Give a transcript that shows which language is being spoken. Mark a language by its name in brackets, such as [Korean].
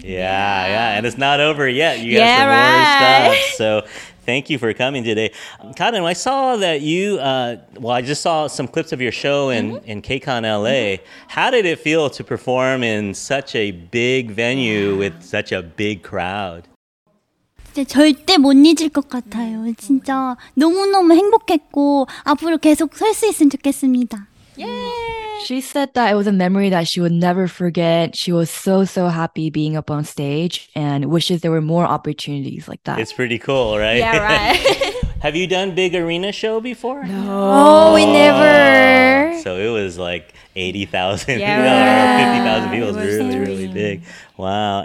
[English] Yeah. And it's not over yet. You got some more stuff. So thank you for coming today. Kaden, I saw that you, I just saw some clips of your show in KCON LA. Mm-hmm. How did it feel to perform in such a big venue with such a big crowd? [Korean] 절대 못 잊을 것 같아요. 진짜 너무너무 행복했고 앞으로 계속 설 수 있으면 좋겠습니다. [English] She said that it was a memory that she would never forget. She was so, so happy being up on stage and wishes there were more opportunities like that. It's pretty cool, right? Yeah, right. Have you done big arena show before? No. Oh, we never. So it was like 80,000, yeah. 50,000 people. It was really, amazing. Really big. Wow.